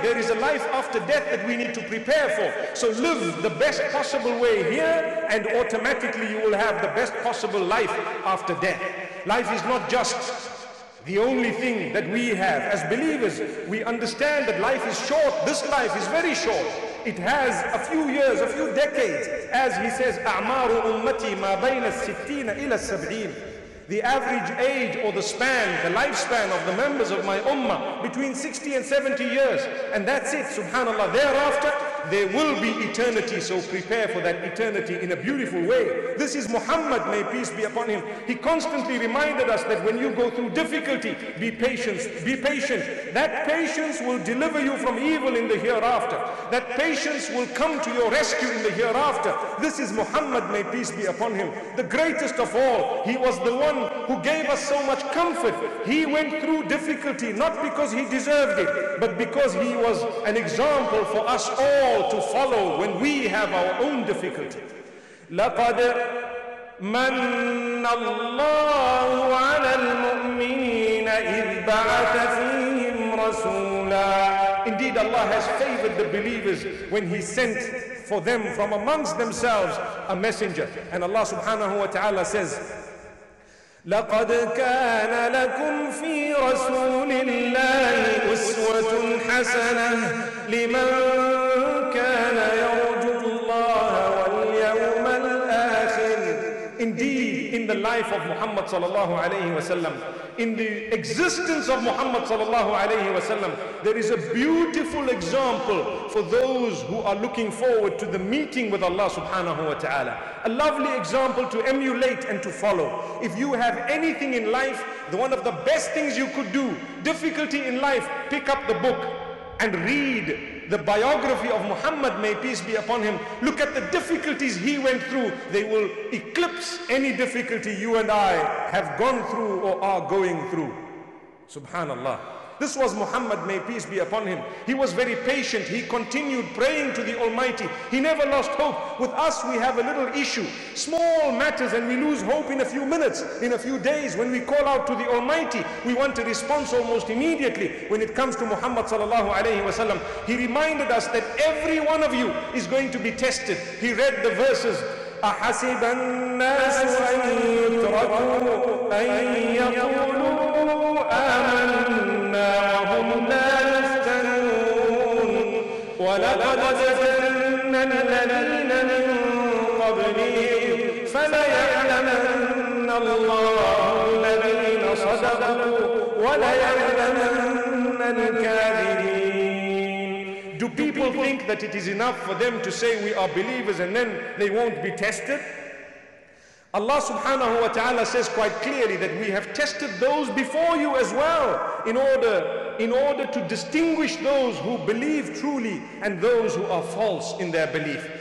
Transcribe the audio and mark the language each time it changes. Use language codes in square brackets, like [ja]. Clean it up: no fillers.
[en] There is a life after death that we need to prepare for. So live the best possible way here, and automatically you will have the best possible life after death. Life is not just the only thing that we have. As believers, we understand that life is short. This life is very short. It has a few years, a few decades. As he says, [ar] أَعْمَارُ أُمَّتِي مَا بَيْنَ السِّتِّينَ إِلَى السَّبْعِينَ. [en] The average age, or the span, the lifespan of the members of my ummah, between 60 and 70 years. And that's it, subhanAllah. Thereafter, there will be eternity. So prepare for that eternity in a beautiful way. This is Muhammad, may peace be upon him. He constantly reminded us that when you go through difficulty, be patient, be patient. That patience will deliver you from evil in the hereafter. That patience will come to your rescue in the hereafter. This is Muhammad, may peace be upon him. The greatest of all, he was the one who gave us so much comfort. He went through difficulty, not because he deserved it, but because he was an example for us all to follow when we have our own difficulty. [ar] لقد من الله على المؤمنين إذ بعث فيهم رسولا. [en] Indeed, Allah has favored the believers when He sent for them from amongst themselves a messenger. And Allah subhanahu wa ta'ala says, [ar] لقد كان لكم في رسول الله أسوة حسنة لمن كان يرجو الله واليوم الآخر. [en] Indeed, in the life of Muhammad sallallahu alayhi wasallam, in the existence of Muhammad sallallahu alayhi wasallam, there is a beautiful example for those who are looking forward to the meeting with Allah subhanahu wa ta'ala. A lovely example to emulate and to follow. If you have anything in life, one of the best things you could do, difficulty in life, pick up the book and read the biography of Muhammad, may peace be upon him. Look at the difficulties he went through. They will eclipse any difficulty you and I have gone through or are going through. SubhanAllah. This was Muhammad, may peace be upon him. He was very patient. He continued praying to the Almighty. He never lost hope. With us, we have a little issue. Small matters, and we lose hope in a few minutes, in a few days. When we call out to the Almighty, we want a response almost immediately. When it comes to Muhammad sallallahu alayhi wasallam, he reminded us that every one of you is going to be tested. He read the verses. [ar] أحسب الناس أن يتركوا أن يقولوا آمنا وهم لا يفتنون ولقد فتنا الذين من قبلهم فليعلمن الله الذين صدقوا وليعلمن الكاذبين. [en] People think that it is enough for them to say we are believers and then they won't be tested. Allah subhanahu wa ta'ala says quite clearly that we have tested those before you as well in order to distinguish those who believe truly and those who are false in their belief.